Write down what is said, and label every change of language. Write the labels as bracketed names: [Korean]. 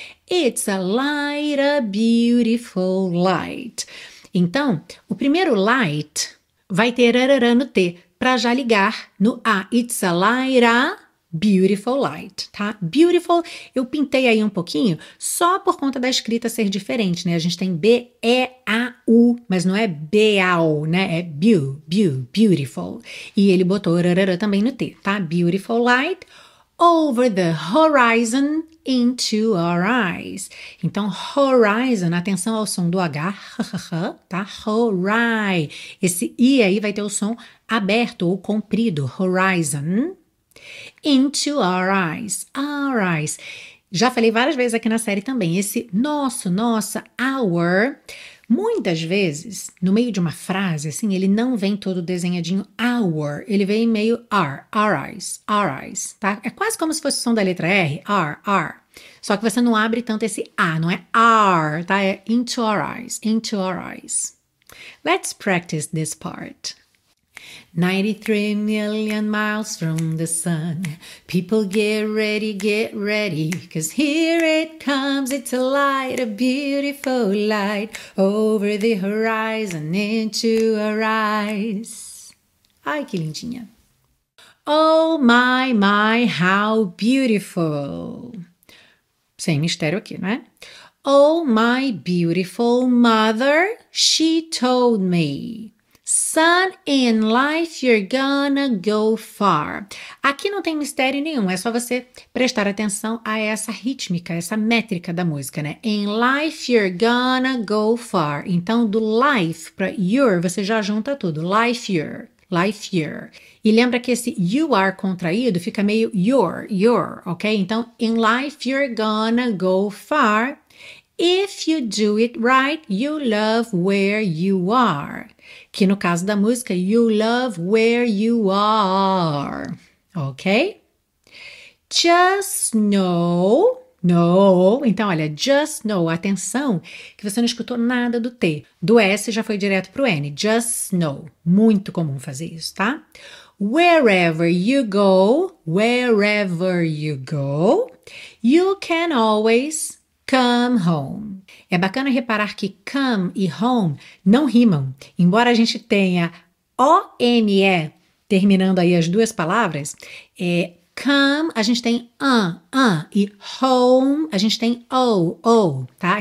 [English] It's a light, a beautiful light. [Portuguese] Então, o primeiro light vai ter arará no T, para já ligar no A. [English] It's a light, a beautiful light, tá? [Portuguese] Beautiful, eu pintei aí um pouquinho, só por conta da escrita ser diferente, né? A gente tem B-E-A-U, mas não é B-A-U, né? É beautiful. E ele botou arará também no T, tá? [English] Beautiful light, over the horizon, into our eyes. [Portuguese] Então, horizon, atenção ao som do H, tá? Horai. Esse I aí vai ter o som aberto ou comprido, horizon. Into our eyes. Já falei várias vezes aqui na série também, esse nossa, our, muitas vezes, no meio de uma frase, assim, ele não vem todo desenhadinho our, ele vem meio our eyes, tá? É quase como se fosse o som da letra R, our. Só que você não abre tanto esse A, não é R, tá? [English] É into our eyes. Let's practice this part. 93 million miles from the sun. People get ready, cause here it comes. It's a light, a beautiful light, over the horizon into our eyes. [Portuguese] Ai, que lindinha. [English] Oh my, my, how beautiful. [Portuguese] Sem mistério aqui, né? [English] Oh my beautiful mother, she told me. Son, in life you're gonna go far. [Portuguese] Aqui não tem mistério nenhum, é só você prestar atenção a essa rítmica, essa métrica da música, né? [English] In life you're gonna go far. [Portuguese] Então, do life para your, você já junta tudo. Life your, life your. E lembra que esse you are contraído fica meio your, your, ok? [English] Então, in life you're gonna go far. If you do it right, you love where you are. [Portuguese] Que no caso da música, [English] you love where you are. [Portuguese] Ok? [English] Just know, know. [Portuguese] Então, olha, [English] just know. [Portuguese] Atenção que você não escutou nada do T. Do S já foi direto pro N. Just know. Muito comum fazer isso, tá? [English] Wherever you go, wherever you go, you can always come home. [Portuguese] É bacana reparar que come e home não rimam. Embora a gente tenha O-M-E terminando aí as duas palavras, é come a gente tem an, e home a gente tem o, tá?